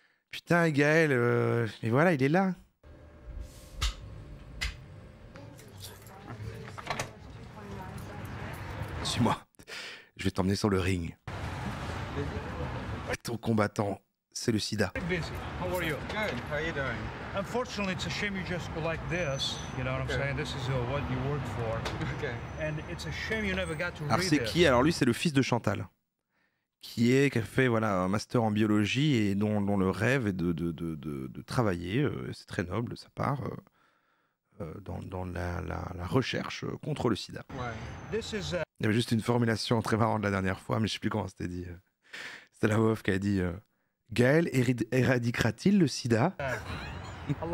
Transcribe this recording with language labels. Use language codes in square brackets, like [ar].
[fr] Putain, Gaël, mais voilà, il est là. Suis-moi. Je vais t'emmener sur le ring. Ton combattant, c'est le sida. [en] How are you? Good. How are you doing? Unfortunately, it's a shame you just go like this. You know what I'm saying? This is what you work for. Okay. And it's a shame you never got to read [fr] this. Alors c'est qui? Alors lui, c'est le fils de Chantal, qui a fait voilà un master en biologie et dont le rêve est de travailler. C'est très noble, ça part. Dans la recherche contre le sida. [en] This is. [fr] Il y avait juste une formulation très marrante la dernière fois, mais je sais plus comment c'était dit. C'est la voix qui a dit « Gaël éradiquera-t-il le sida ?»